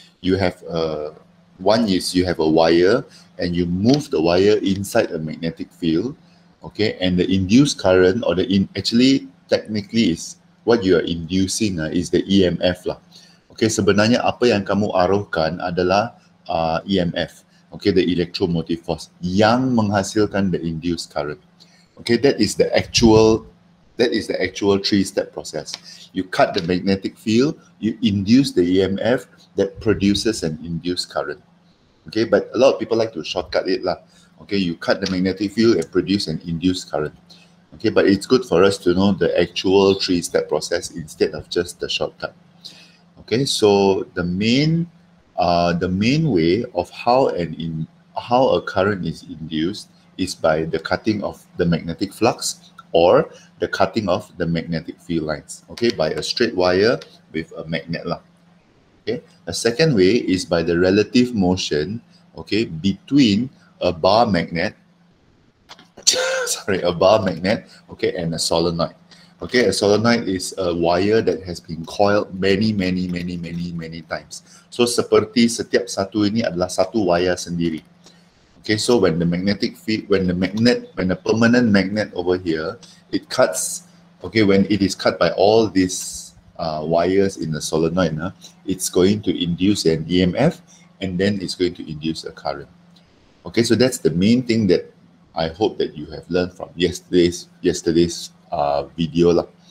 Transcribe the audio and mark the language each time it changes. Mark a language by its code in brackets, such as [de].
[en] You have one is you have a wire and you move the wire inside a magnetic field. Okay, and the induced current or the technically is what you are inducing is the EMF lah. [ms] Okay, sebenarnya apa yang kamu aruhkan adalah EMF. [en] Okay, the electromotive force [ms] yang menghasilkan [en] the induced current. Okay, that is the actual three-step process. You cut the magnetic field, you induce the EMF that produces an induced current. Okay, but a lot of people like to shortcut it lah. Okay, you cut the magnetic field and produce an induced current. Okay, but it's good for us to know the actual three-step process instead of just the shortcut. Okay, so the main way of how a current is induced is by the cutting of the magnetic flux or the cutting of the magnetic field lines, okay, by a straight wire with a magnet lah. Okay, the second way is by the relative motion, okay, between a bar magnet okay, and a solenoid. Okay, a solenoid is a wire that has been coiled many times. [ms] So seperti setiap satu ini adalah satu wire sendiri. [en] Okay, so when the magnetic field, when the permanent magnet over here, it cuts, okay, when it is cut by all these wires in the solenoid, it's going to induce an EMF and then it's going to induce a current. Okay, so that's the main thing that I hope that you have learned from yesterday's video lah.